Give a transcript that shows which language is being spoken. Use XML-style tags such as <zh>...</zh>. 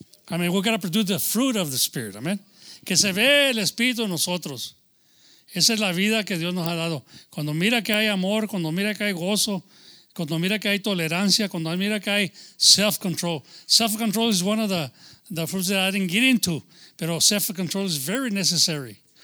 <en>I mean, we got to produce the fruit of the Spirit.</en> <es>Amén. Que se ve el Espíritu en nosotros. Esa es la vida que Dios nos ha dado. Cuando mira que hay amor, cuando mira que hay gozo, cuando mira que hay tolerancia, cuando mira que hay self-control.</es> <en>Self-control is one of the fruits that I didn't get into,</en> <es>pero</es> <en>self-control is very necessary.</en>